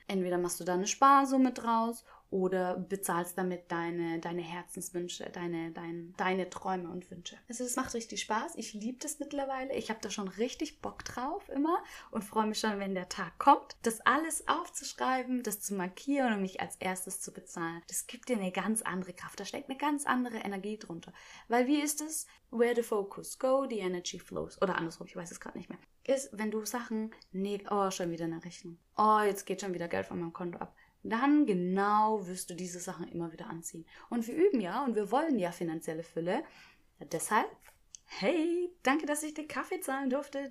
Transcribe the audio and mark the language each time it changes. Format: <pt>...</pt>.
<de>Entweder machst du da eine Sparsumme draus oder bezahlst damit deine Herzenswünsche, deine Träume und Wünsche. Also es macht richtig Spaß. Ich liebe das mittlerweile. Ich habe da schon richtig Bock drauf immer und freue mich schon, wenn der Tag kommt, das alles aufzuschreiben, das zu markieren und mich als erstes zu bezahlen. Das gibt dir eine ganz andere Kraft. Da steckt eine ganz andere Energie drunter. Weil wie ist es?</de> <en>Where the focus go, the energy flows.</en> <de>Oder andersrum, ich weiß es gerade nicht mehr. Ist, wenn du Sachen, schon wieder eine Rechnung. Oh, jetzt geht schon wieder Geld von meinem Konto ab. Dann genau wirst du diese Sachen immer wieder anziehen. Und wir üben ja und wir wollen ja finanzielle Fülle. Deshalb, hey, danke, dass ich den Kaffee zahlen durfte.</de>